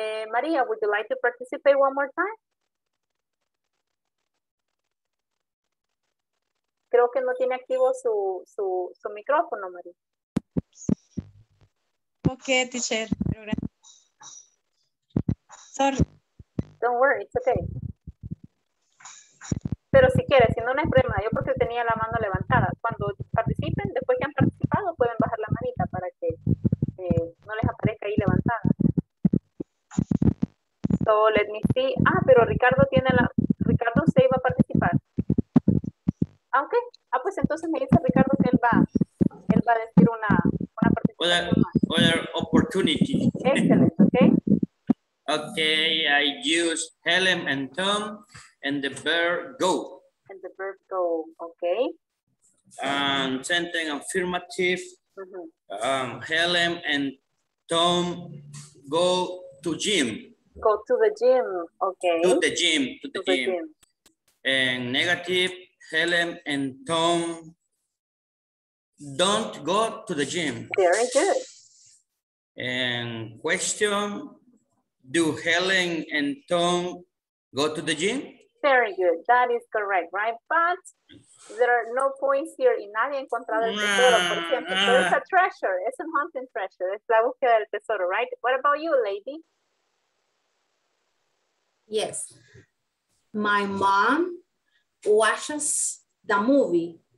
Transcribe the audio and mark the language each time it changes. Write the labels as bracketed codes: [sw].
[en] Maria, would you like to participate one more time? [es] Creo que no tiene activo su micrófono, Maria. [en] Okay, teacher. Sorry. Don't worry, it's okay. [es] Pero si quieres, si no, no hay problema. Yo porque tenía la mano levantada. Cuando participen, después que han participado, pueden bajar la manita para que no les aparezca ahí levantada. [en] So let me see. [es] Ah, pero Ricardo tiene la. Ricardo se iba a participar. Ah, ok. Ah, pues entonces me dice Ricardo que él va a decir una participación. [en] Other opportunity. Excellent, ok. Okay, I use Helen and Tom and the verb go. And the verb go, ok. Sentence affirmative. Mm-hmm. Helen and Tom go to gym. Go to the gym, okay. To the gym. And negative, Helen and Tom don't go to the gym. Very good. And question, do Helen and Tom go to the gym? Very good. That is correct, right? But there are no points here. [es] Y nadie ha encontrado el tesoro, por ejemplo. [en] So it's a treasure. It's a hunting treasure. [es] Es la búsqueda del tesoro, [en] right? What about you, lady? Yes, my mom watches the movie.